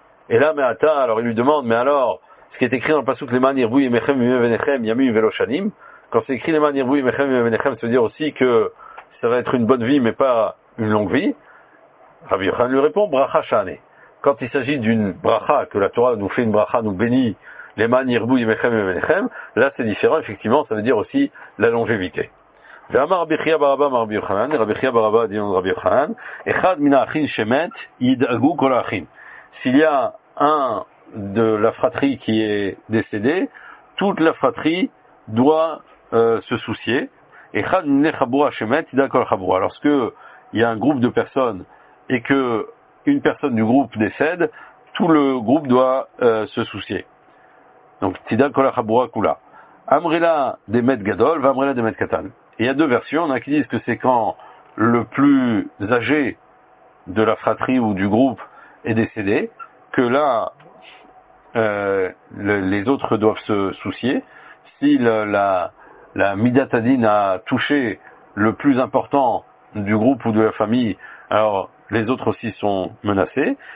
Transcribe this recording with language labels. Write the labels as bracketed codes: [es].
[fr] Et là, Me'ata, alors il lui demande, mais alors, ce qui est écrit dans le pasouk, Leman Yirbu Yemechem Yemevenechem Yamim Veloshanim, quand c'est écrit Leman Yirbu Yemechem Yemevenechem, ça veut dire aussi que ça va être une bonne vie, mais pas une longue vie. Rabbi Yochanan lui répond, Bracha Shane. Quand il s'agit d'une bracha, que la Torah nous fait une bracha, nous bénit, Leman Yirbu Yemechem Yemevenechem, là c'est différent, effectivement, ça veut dire aussi la longévité. [he] ואמר רבי חייא ברבא אמר רבי יוחנן, רבי חייא ברבא דינון רבי יוחנן, אחד מן האחים שמת ידאגו כל האחים. [fr] S'il y a un de la fratrie qui est décédé, toute la fratrie doit se soucier. [he] אחד מן החבורה שמת ידאג כל החבורה. [fr] Lorsque il y a un groupe de personnes et que une personne du groupe décède, tout le groupe doit se soucier. [he] Donc ידאג כל החבורה כולה. אמרילה דמת גדול ואמרילה דמת קטן. [fr] Et il y a deux versions, il y en a qui disent que c'est quand le plus âgé de la fratrie ou du groupe est décédé, que là, les autres doivent se soucier. Si la Midat Hadin a touché le plus important du groupe ou de la famille, alors les autres aussi sont menacés.